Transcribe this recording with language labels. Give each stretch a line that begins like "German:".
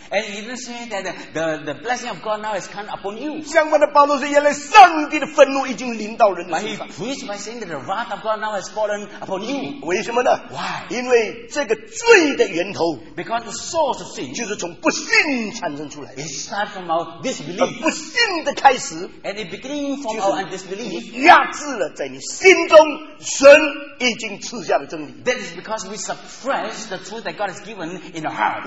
English: and he didn't say that the blessing of God now has come upon you.
Chinese: 相反的保罗是原来上帝的愤怒已经临到人的身上,
English: but he preached by saying that the wrath of God now has fallen upon you.
Chinese: 为什么呢?
English: Why?
Chinese: 因为这个 罪的源头,
English: because the source of sin,
Chinese: 就是从不信产生出来的,
English: it starts from our disbelief,
Chinese: 不信的开始,
English: and it begins from our disbelief,
Chinese: 压制了在你心中神已经赐下的真理,
English: that is because we suppress the truth that God has given in our heart.